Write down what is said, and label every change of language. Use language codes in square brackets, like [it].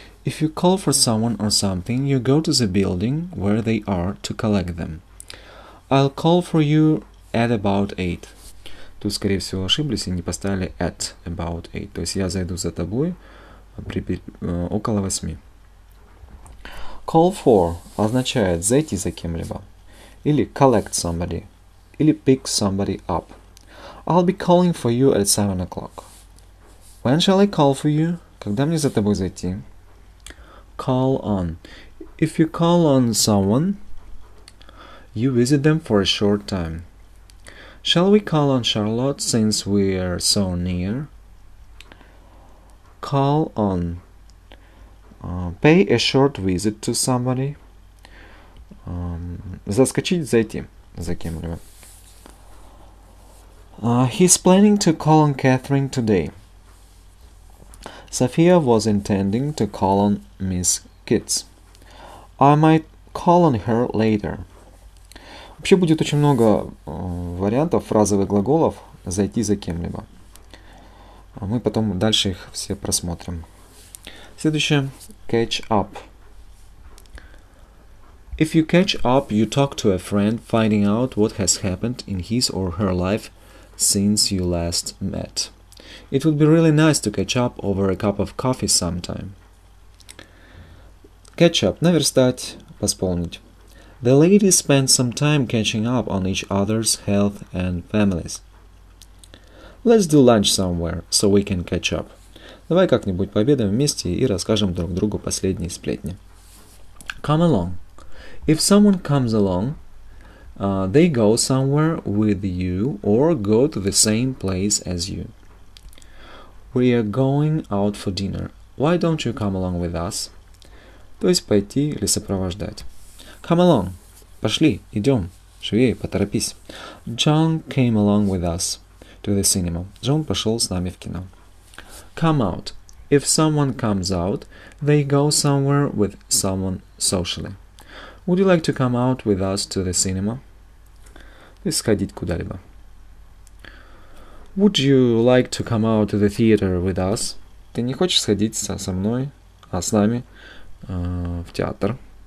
[en] If you call for someone or something, you go to the building where they are to collect them. I'll call for you at about 8. [ru] Тут, скорее всего, ошиблись и не поставили [en] at about 8. [ru] То есть я зайду за тобой около 8. Call for означает зайти за кем-либо. Или collect somebody. Или [en] pick somebody up. I'll be calling for you at 7 o'clock. When shall I call for you? [ru] Когда мне за тобой зайти? [en] Call on. If you call on someone, you visit them for a short time. Shall we call on Charlotte since we are so near? Call on. Pay a short visit to somebody. [ru] Заскочить, зайти за кем-либо. [en] He's planning to call on Catherine today. Sophia was intending to call on Miss Kitts. I might call on her later. [ru] Вообще будет очень много вариантов фразовых глаголов «зайти за кем-либо». Мы потом дальше их все просмотрим. Следующее. [en] Catch up. If you catch up, you talk to a friend, finding out what has happened in his or her life since you last met. It would be really nice to catch up over a cup of coffee sometime. [ru] Catch up. Наверстать. Восполнить. [en] The ladies spend some time catching up on each other's health and families. Let's do lunch somewhere, so we can catch up. [ru] Давай как-нибудь пообедаем вместе и расскажем друг другу последние сплетни. [en] Come along. If someone comes along, they go somewhere with you or go to the same place as you. We are going out for dinner. Why don't you come along with us? [ru] То есть пойти или сопровождать. [en] Come along. [ru] Пошли, идем. Живее, поторопись. [en] John came along with us to the cinema. [ru] Джон пошел с нами в кино. [en] Come out. If someone comes out, they go somewhere with someone socially. Would you like to come out with us to the cinema? [ru] То есть сходить куда-либо. [en] Would you like to come out to the theater with us? [ru] Ты не хочешь сходить со мной, а с нами в театр?